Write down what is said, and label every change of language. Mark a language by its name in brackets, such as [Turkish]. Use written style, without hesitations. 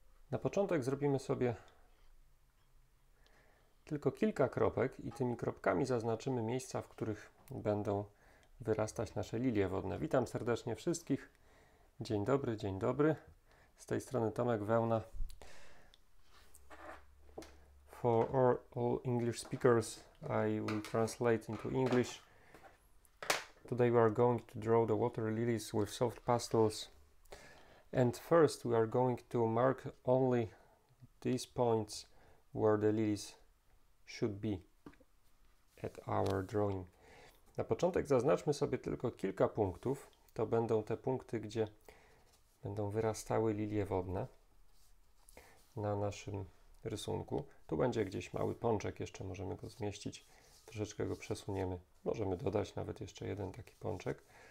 [Polish] Na początek zrobimy sobie tylko kilka kropek i tymi kropkami zaznaczymy miejsca, w których będą wyrastać nasze lilie wodne. Witam serdecznie wszystkich. Dzień dobry. Z tej strony Tomek Wełna. [English] For all English speakers, I will translate into English. Today we are going to draw the water lilies with soft pastels. And first we are going to mark only these points where the lilies should be at our drawing. [Polish] Na początek zaznaczmy sobie tylko kilka punktów. To będą te punkty, gdzie będą wyrastały lilie wodne na naszym rysunku. Tu będzie gdzieś mały pączek, jeszcze możemy go zmieścić. Troszeczkę go przesuniemy. Możemy dodać nawet jeszcze jeden taki pączek.